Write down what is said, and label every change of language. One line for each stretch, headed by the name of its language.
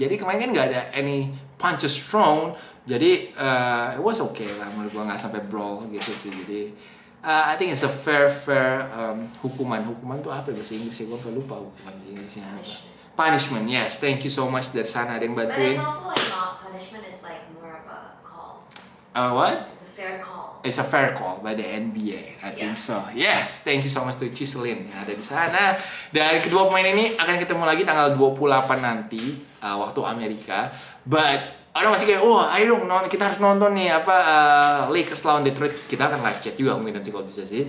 Indonesian: Jadi kemarin kan gak ada
English: any punches thrown.
Indonesian: Jadi
English: it was okay
Indonesian: lah menurut gue, gak sampai brawl gitu sih. Jadi
English: I think it's a fair
Indonesian: hukuman. Hukuman tuh apa ya bahasa Inggrisnya? Gue lupa hukuman di Inggrisnya apa.
English: Punishment, yes. Thank you so much
Indonesian: dari sana, ada yang bantuin.
English: But it's also like not punishment, it's like more of a call. What? It's a fair call. It's a fair call by the NBA, I think so. Yes, thank you so much to Chiselin
Indonesian: yang ada di sana. Dan kedua pemain ini akan ketemu lagi tanggal 28 nanti, waktu Amerika.
English: But
Indonesian: orang masih kayak, wah, ayo dong, kita harus nonton nih apa Lakers lawan Detroit. Kita akan live chat juga mungkin nanti kalau bisa sih.